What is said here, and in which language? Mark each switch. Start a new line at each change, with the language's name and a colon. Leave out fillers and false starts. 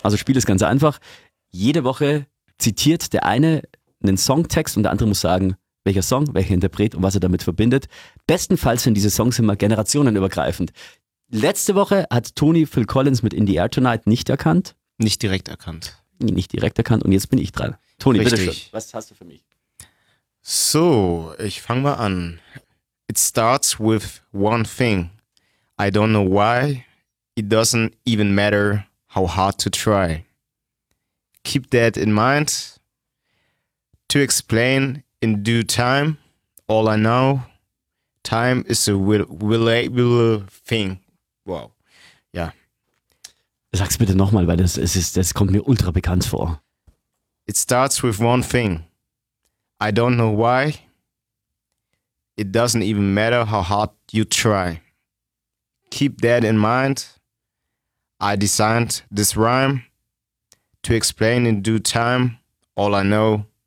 German: Also Spiel ist ganz einfach. Jede Woche zitiert der eine einen Songtext und der andere muss sagen, welcher Song, welcher Interpret und was er damit verbindet. Bestenfalls sind diese Songs immer generationenübergreifend. Letzte Woche hat Toni Phil Collins mit In the Air Tonight nicht erkannt. Nicht direkt erkannt. Nicht direkt erkannt und jetzt bin ich dran. Toni, bitteschön. Was hast du für mich? So, ich fange mal an.
English: It starts with one thing. I don't know why. It doesn't even matter how hard to try. Keep that in mind. To explain in due time. All I know. Time is a reliable thing.
German: Wow. Ja. Sag's bitte nochmal, weil das kommt mir ultra bekannt vor.
English: It starts with one thing. I don't know why. It doesn't even matter how hard you try. Keep that in mind. I designed this rhyme to explain in due time all I know.